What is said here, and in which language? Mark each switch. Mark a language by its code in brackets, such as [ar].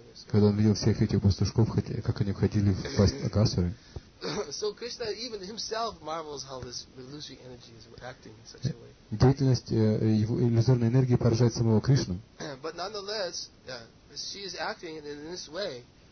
[ru] Когда он видел всех этих пастушков, как они входили в пасть Агасуры. [en] So Krishna even himself marvels how this illusory energy is acting in such a way. [ru] Деятельность его иллюзорной энергии поражает самого Кришну. [en] But nonetheless, she is acting in this way.